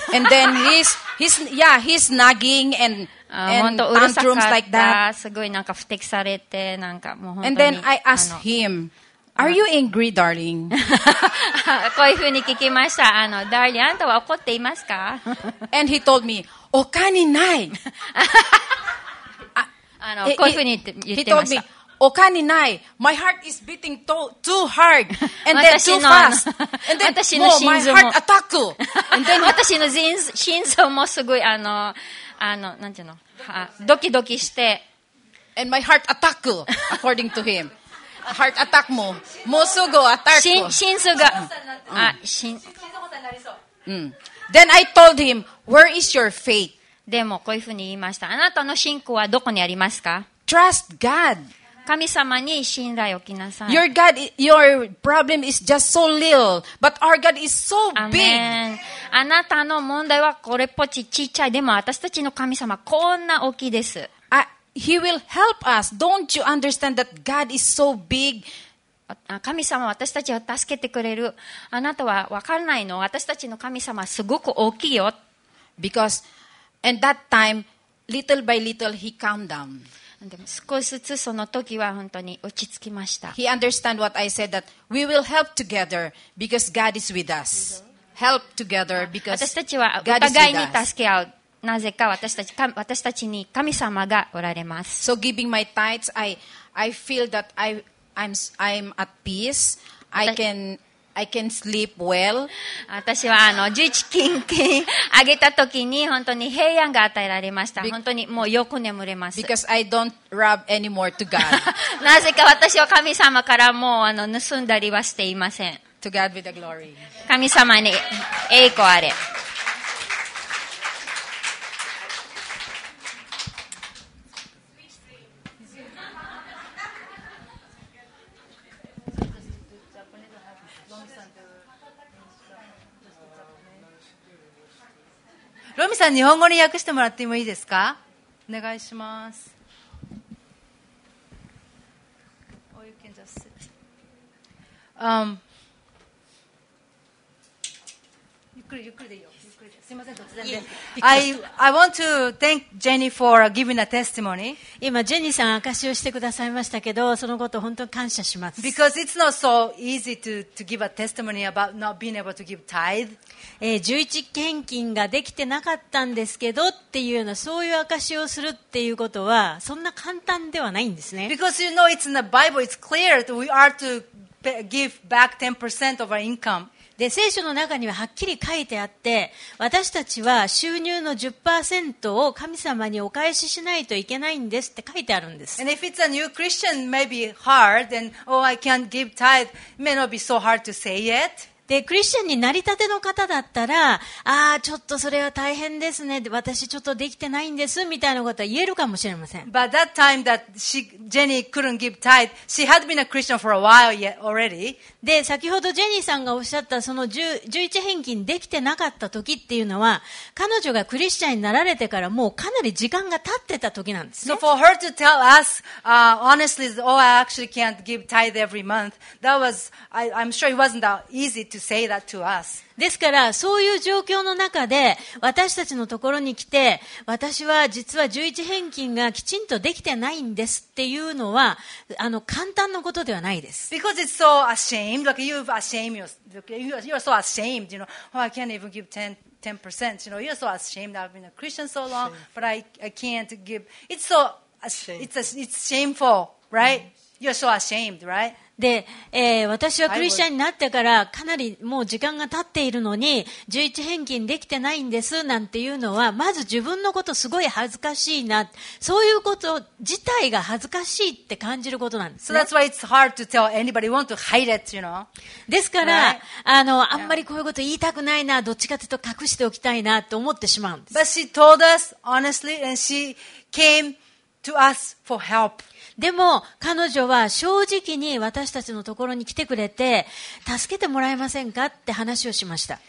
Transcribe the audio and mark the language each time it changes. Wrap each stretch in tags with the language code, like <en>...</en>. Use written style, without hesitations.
<en>and then he's nagging and tantrums like that.</en> <ja>すごいなんか、不適されて、なんか、もう本当に。</ja> <en>and then I asked him, are you angry, darling?</en> <ja>こういうふうに聞きました。 darling, あんたは怒っていますか</ja> <en>and he told me,</en> <ja>お金ない。こういうふうに言ってました。</ja> <en>He told me,</en> <ja>お金ない。</ja> <en>My heart is beating too hard. And then too fast. And then</en> <ja>私の心臓</ja> <en>my heart attack. And then</en> <ja>私の心臓もすごいあの、なんていうの、ドキドキして。</ja> <en>And my heart attack, according to him. Heart attack も。</en> <ja>もうすぐアタック。心臓が。あ、心臓。</ja> <en>Then I told him, where is your faith?</en> <ja>でもこういうふうに言いました。あなたの信仰はどこにありますか?</ja> <en>Trust God.</en> <ja>神様に信頼を置きなさい。</ja> <en>Your God, your problem is just so little, but our God is so big. Amen.</en> <ja>あなたの問題はこれっぽち小さい。でも私たちの神様こんな大きいです。</ja> <en>He will help us. Don't you understand that God is so big?</en> <ja>神様は私たちを助けてくれる。あなたは分からないの。私たちの神様はすごく大きいよ。</ja> <en>Because, and that time, little by little, he calmed down.</en> <ja>でも少しずつその時は本当に落ち着きました。</ja> <en>He understand what I said that we will help together because God is with us. Help together because</en> <ja>私たちは</ja> <en>God</en> <ja>お互いに助け合う。なぜか私たちに神様がおられます。</ja> <en>So giving my tithes, I feel that I'm at peace. I can sleep well.</en> <ja>私はあの十一金券あげた時に本当に平安が与えられました。本当にもうよく眠れます。</ja> <en>Because I don't rob anymore to God.</en> <ja>なぜか私は神様からもうあの盗んだりはしていません。</ja> <en>To God be the glory.</en> <ja>神様に栄光あれ。ロミさん、日本語に訳してもらってもいいですか？お願いします。</ja> <en>I want to thank Jenny for giving a testimony.</en> <ja>今ジェニーさん証しをしてくださいましたけど、そのこと本当に感謝します。</ja> <en>Because it's not so easy to give a testimony about not being able to give tithe.</en> <ja>11献金ができてなかったんですけどっていうような、そういう証しをするっていうことはそんな簡単ではないんですね。</ja> <en>Because you know it's in the Bible, it's clear that we are to give back 10% of our income.</en> <ja>で聖書の中にははっきり書いてあって、私たちは収入の 10% を神様にお返ししないといけないんですって書いてあるんです。</ja> <en>And if it's a new Christian, maybe hard, and oh, I can't give tithe, may not be so hard to say yet.</en> <ja>でクリスチャンになりたての方だったら、ああちょっとそれは大変ですね、私ちょっとできてないんですみたいなことは言えるかもしれません。</ja> <en>But that time that she, Jenny couldn't give tithe, she had been a Christian for a while yet already.</en> <ja>で先ほどジェニーさんがおっしゃったその11返金できてなかった時っていうのは、彼女がクリスチャンになられてからもうかなり時間が経ってた時なんですね。</ja> <en>So for her to tell us, honestly, oh, I actually can't give tithe every month. That was, I'm sure it wasn't that easy. To say that to us.</en> <ja>ですからそういう状況の中で私たちのところに来て、私は実は11返金がきちんとできてないんですっていうのは、あの簡単なことではないです。</ja> <en>Because it's so ashamed, like you've ashamed yourself, you're so ashamed, you know, oh, I can't even give 10%, you know, you're so ashamed that I've been a Christian so long, but I can't give. It's so it's shameful, right? You're so ashamed, right?</en> <ja>で、私はクリスチャンになってからかなりもう時間が経っているのに11返金できてないんですなんていうのは、まず自分のことすごい恥ずかしいな、そういうこと自体が恥ずかしいって感じることなんですね。</ja> <en>So that's why it's hard to tell anybody want to hide it, you know?</en> <ja>ですから、</ja> <en>right?</en> <ja>あんまりこういうこと言いたくないな、どっちかというと隠しておきたいなと思ってしまうんです。</ja> <en>But she told us honestly and she came to us for help.</en> <ja>でも彼女は正直に私たちのところに来てくれて、助けてもらえませんかって話をしました。</ja>